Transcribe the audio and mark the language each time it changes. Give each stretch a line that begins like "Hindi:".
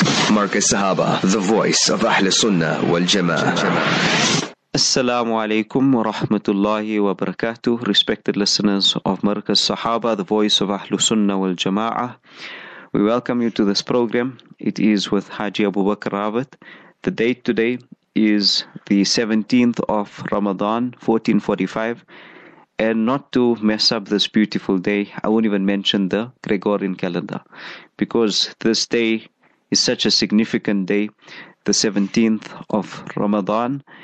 English: مارك السهابة The Voice of أهل السنة والجماعة.
Arabic: السلام عليكم ورحمة الله وبركاته.
English: Respected listeners of مارك السهابة The Voice of أهل السنة والجماعة, we welcome you to this program. It is with حاجي أبو بكر رابط. The date today is the 17th of Ramadan 1445, and not to mess up this beautiful day, I won't even mention the Gregorian calendar, because this day is such a significant day, the 17th of Ramadan.